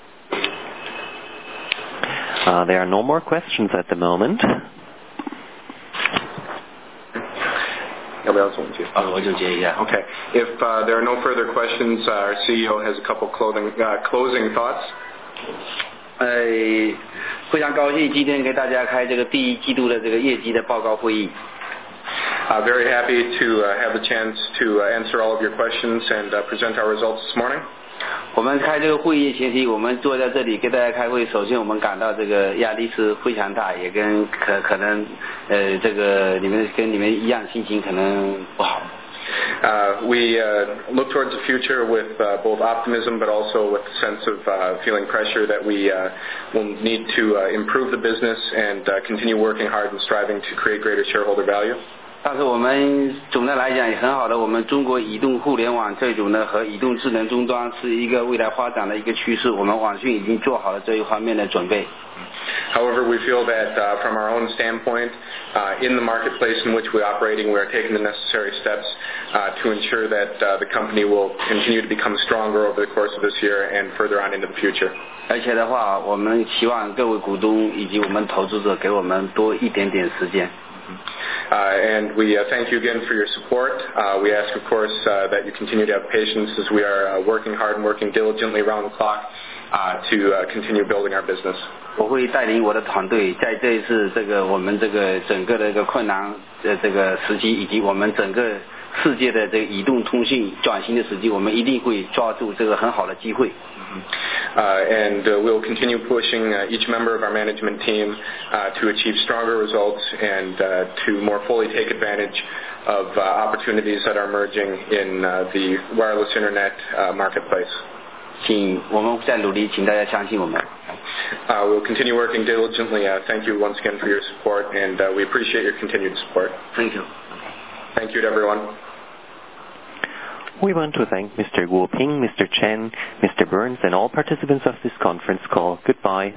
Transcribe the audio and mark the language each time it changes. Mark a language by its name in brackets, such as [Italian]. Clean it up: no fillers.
[English] There are no more questions at the moment. [Chinese] 要不要总结？啊，我总结一下。 [English] Okay, if there are no further questions, our CEO has a couple closing thoughts. [Chinese] 非常高兴今天给大家开这个第一季度的这个业绩的报告会议。 [English] Very happy to have the chance to answer all of your questions and present our results this morning. [Chinese] 我们开这个会议前提我们坐在这里给大家开会首先我们感到这个压力是非常大也跟 可能这个你们跟你们一样心情可能不好。 [English] We look towards the future with both optimism but also with a sense of feeling pressure that we will need to improve the business and continue working hard and striving to create greater shareholder value. [Chinese] 但是我们总的来讲也很好的我们中国移动互联网这种呢和移动智能终端是一个未来发展的一个趋势我们网讯已经做好了这一方面的准备 [English] However, we feel that from our own standpoint in the marketplace in which we're operating we are taking the necessary steps to ensure that the company will continue to become stronger over the course of this year and further on into the future [Chinese] 而且的话我们希望各位股东以及我们投资者给我们多一点点时间 [English] And we thank you again for your support. We ask, of course, that you continue to have patience as we are working hard and working diligently around the clock to continue building our business. [Chinese] 我会带领我的团队在这一次这个我们这个整个的一个困难的这个时机以及我们整个世界的这个移动通信转型的时机我们一定会抓住这个很好的机会。 [English] And we'll continue pushing each member of our management team to achieve stronger results and to more fully take advantage of opportunities that are emerging in the wireless internet marketplace. [Chinese] 请我们再努力，请大家相信我们。 [English] We'll continue working diligently. Thank you once again for your support, and we appreciate your continued support. Thank you. Thank you to everyone. We want to thank Mr. Guo Ping, Mr. Chen, Mr. Burns, and all participants of this conference call. Goodbye.